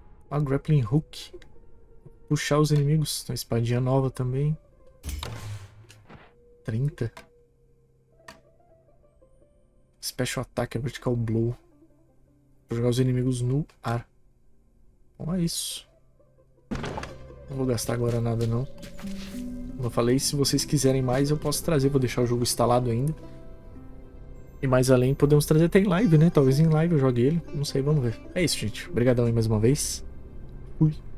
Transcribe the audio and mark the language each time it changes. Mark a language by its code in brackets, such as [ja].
[en] A grappling hook. [pt] Puxar os inimigos. Uma espadinha nova também. 30. [en] Special attack, vertical blow. [pt] Vou jogar os inimigos no ar. Bom, é isso. Não vou gastar agora nada, não. Como eu falei, se vocês quiserem mais, eu posso trazer. Vou deixar o jogo instalado ainda. E mais além, podemos trazer até em live, né? Talvez em live eu jogue ele. Não sei, vamos ver. É isso, gente. Obrigadão aí mais uma vez. Fui.